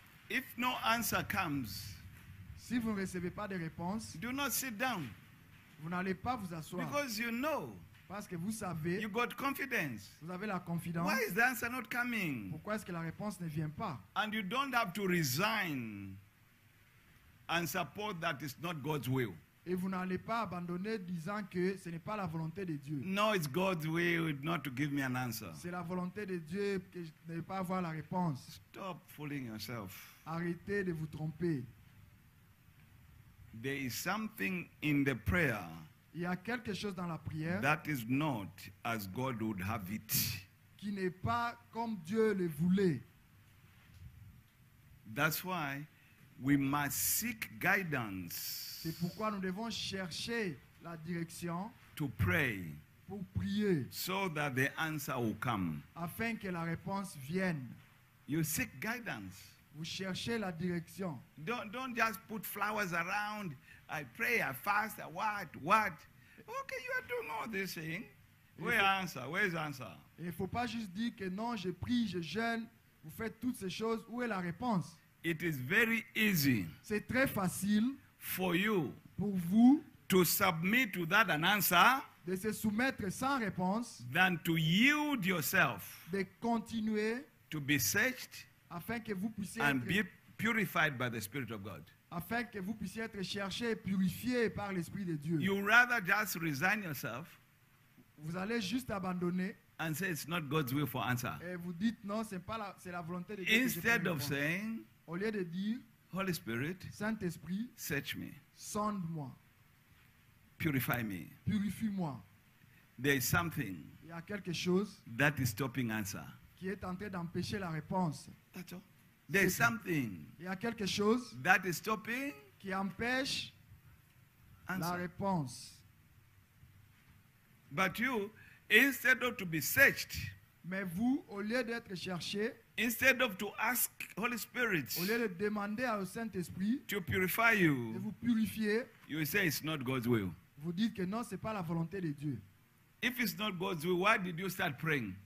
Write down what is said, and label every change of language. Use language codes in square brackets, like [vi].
[en] If no answer comes, [fr] si vous ne recevez pas de réponse, [en] do not sit down. [fr] Vous n'allez pas vous asseoir. [en] Because you know, [fr] parce que vous savez, [en] you got confidence. [fr] Vous avez la confiance. [en] Why is the answer not coming? [fr] Pourquoi est-ce que la réponse ne vient pas? [en] And you don't have to resign and support that it's not God's will. [fr] Et vous n'allez pas abandonner disant que ce n'est pas la volonté de Dieu. [en] No, it's God's will not to give me an answer. [fr] C'est la volonté de Dieu que je ne vais pas avoir la réponse. [en] Stop fooling yourself. [fr] Arrêtez de vous tromper. [en] There is something in the prayer. [fr] Il y a quelque chose dans la prière. [en] That is not as God would have it. [fr] Qui n'est pas comme Dieu le voulait. [en] That's why we must seek guidance. [fr] C'est pourquoi nous devons chercher la direction [en] to pray [fr] pour prier [en] so that the answer will come. [fr] Afin que la réponse vienne. [en] You seek guidance. [fr] Vous cherchez la direction. [en] Don't just put flowers around. I pray, I fast, I what? Okay, you are doing all this thing. Where is the answer? [fr] Il ne faut pas juste dire que non, je prie, je jeûne. Vous faites toutes ces choses. Où est la réponse? [en] It is very easy. [fr] C'est très facile. [en] For you. [fr] Pour vous. [en] To submit to that an answer. [fr] De se soumettre sans réponse. [en] Than to yield yourself. [fr] De continuer. [en] To be searched. [fr] Afin que vous puissiez [en] and [fr] être, [en] be purified by the Spirit of God. [fr] Afin que vous puissiez être cherché et purifié par l'Esprit de Dieu. [en] You rather just resign yourself. [fr] Vous allez juste abandonner. [en] And say it's not God's will for answer. [fr] Et vous dites non, c'est pas la, c'est la volonté de Dieu. [en] Instead of saying, [fr] au lieu de dire, [en] Holy Spirit, [fr] Saint Esprit, [en] search me, [fr] sonde-moi, [en] purify me, [fr] purifie-moi. [en] There is something. [fr] Il y a quelque chose. [en] That is stopping answer. [fr] Qui est en train d'empêcher la réponse. [en] That's all. There is something. [fr] Il y a quelque chose. [en] That is stopping. [fr] Qui empêche. [en] Answer. [fr] La réponse. [en] But you, instead of to be searched. [fr] Mais vous, au lieu d'être cherché. [en] Instead of to ask Holy Spirit. [fr] Au lieu de demander au Saint-Esprit. [en] To purify you. [fr] De vous purifier. [en] You say it's not God's will. [fr] Vous dites que non, c'est pas la volonté de Dieu. [en] If it's not God's will, why did you start praying?